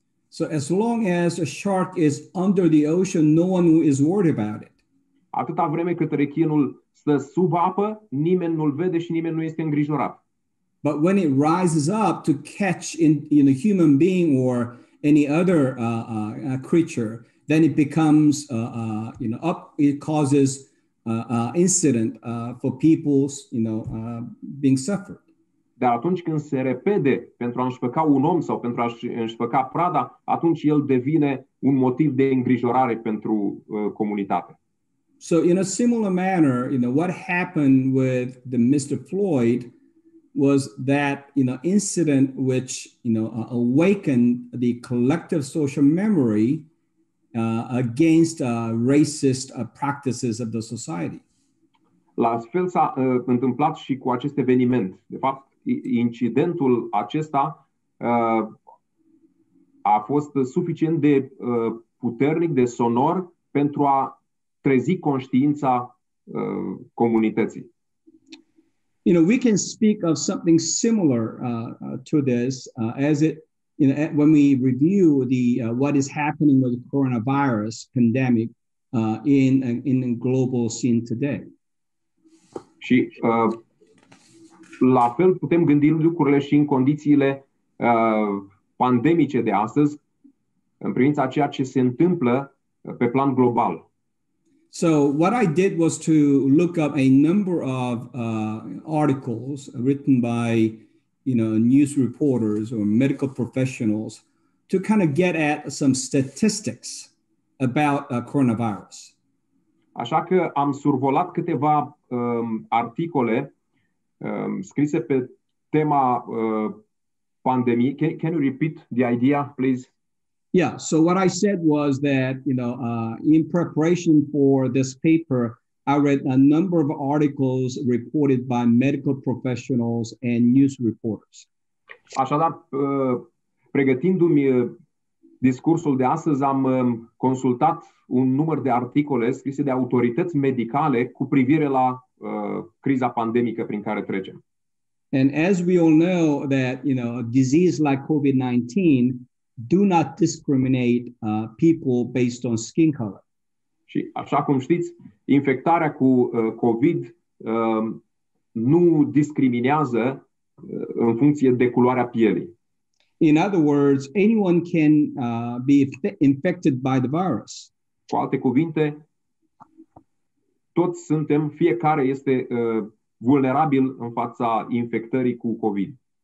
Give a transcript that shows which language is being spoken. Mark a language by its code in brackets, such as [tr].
[en] So as long as a shark is under the ocean, no one is worried about it. [ro] Atâta vreme cât rechinul stă sub apă, nimeni nu-l vede și nimeni nu este îngrijorat. [en] But when it rises up to catch in a human being or any other creature, then it becomes it causes incident for people being suffered. [ro] Dar atunci când se repede pentru a înșpăca un om sau pentru a înșpăca prada, atunci el devine un motiv de îngrijorare pentru comunitate. [en] So in a similar manner, what happened with the Mr. Floyd was that incident which awakened the collective social memory against racist practices of the society. [ro] La fel s-a întâmplat și cu acest eveniment. De fapt, incidentul acesta a fost suficient de puternic, de sonor pentru a trezi conștiința comunității. [en] You know, we can speak of something similar to this when we review the what is happening with the coronavirus pandemic in a global scene today. [ro] Și la fel putem gândi lucrurile și în condițiile pandemice de astăzi, în privința ceea ce se întâmplă pe plan global. [en] So what I did was to look up a number of articles written by, you know, news reporters or medical professionals to kind of get at some statistics about coronavirus. [ro] Așa că am survolat câteva articole scrise pe tema pandemiei. [en] Can you repeat the idea, please? Yeah, so what I said was that, you know, in preparation for this paper, I read a number of articles reported by medical professionals and news reporters. [ro] Așadar, pregătindu-mi discursul de astăzi, am consultat un număr de articole scrise de autorități medicale cu privire la criza pandemică prin care trecem. [en] And as we all know that, you know, a disease like COVID-19 do not discriminate people based on skin color. [ro] Și așa cum știți, infectarea cu COVID nu discriminează în funcție de culoarea pielii. [en] In other words, anyone can be infected by the virus. [ro] Cu alte cuvinte, toți suntem, fiecare este vulnerabil în fața infectării cu COVID.